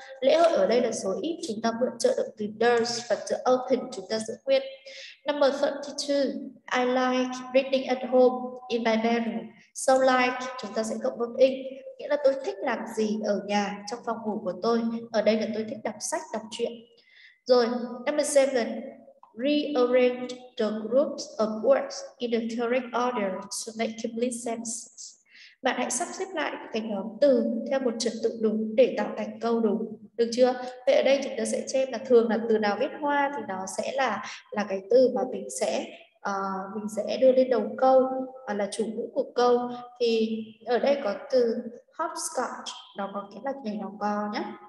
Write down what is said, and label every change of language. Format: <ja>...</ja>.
<vi>Lễ hội ở đây là số ít, chúng ta mượn trợ động từ does và từ open chúng ta giữ nguyên.</vi> <en>Number 32. I like reading at home in my bedroom.</en> <vi>So like chúng ta sẽ cộng vâng in, nghĩa là tôi thích làm gì ở nhà trong phòng ngủ của tôi. Ở đây là tôi thích đọc sách, đọc truyện.</vi> <en>Rồi, number 7. Rearrange the groups of words in the correct order to make complete sense.</en> <vi>Bạn hãy sắp xếp lại cái nhóm từ theo một trật tự đúng để tạo thành câu đúng, được chưa? Vậy ở đây chúng ta sẽ xem là thường là từ nào viết hoa thì nó sẽ là cái từ mà mình sẽ đưa lên đầu câu, là chủ ngữ của câu. Thì ở đây có từ hopscotch, nó có nghĩa là nhảy lò cò nhé.</vi>